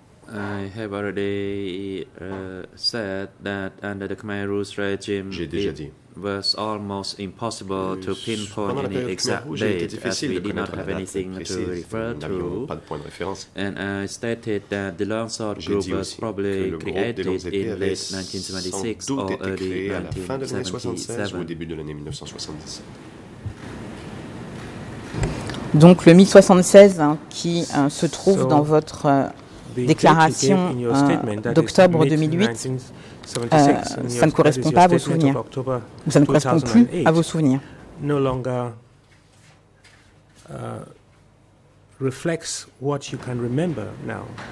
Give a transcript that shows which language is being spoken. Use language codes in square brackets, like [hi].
[en] I have already said that under the Khmer Rouge regime, was almost impossible to pinpoint any exact date as we did not have anything to refer to. And I stated that the Long Sword Group was probably created in late 1976 or early 1977. [fr] Donc le 1076 qui se trouve dans votre déclaration d'octobre 2008, ça ne correspond pas à vos souvenirs. Ou ça ne correspond plus à vos souvenirs. [en] No longer reflects what you can remember now.